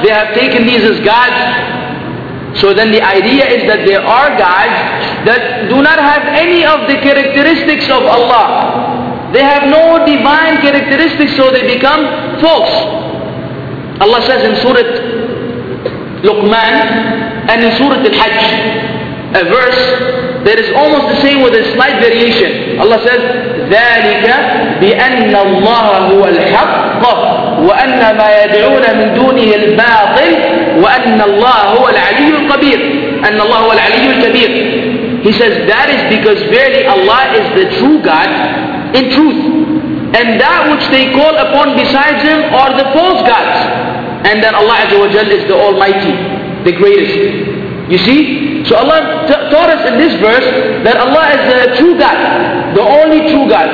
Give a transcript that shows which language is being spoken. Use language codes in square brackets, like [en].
[en] They have taken these as gods. So then the idea is that there are gods that do not have any of the characteristics of Allah. They have no divine characteristics, so they become false. Allah says in Surah Luqman and in Surah Al-Hajj, a verse that is almost the same with a slight variation. Allah says, [ar] ذَلِكَ بِأَنَّ اللَّهَ هُوَ الْحَقَّ وَأَنَّ مَا يَدْعُونَ مِن دُونِهِ الْبَاطِلِ وَأَنَّ اللَّهَ هُوَ الْعَلِيُّ الْقَبِيرُ. أَنَّ اللَّهَ هُوَ الْعَلِيُّ الْكَبِيرُ. [en] He says, that is because verily Allah is the true God in truth. And that which they call upon besides Him are the false gods. And then Allah Azza wa Jalla is the Almighty, the greatest. You see? So Allah taught us in this verse that Allah is the true God, the only true God.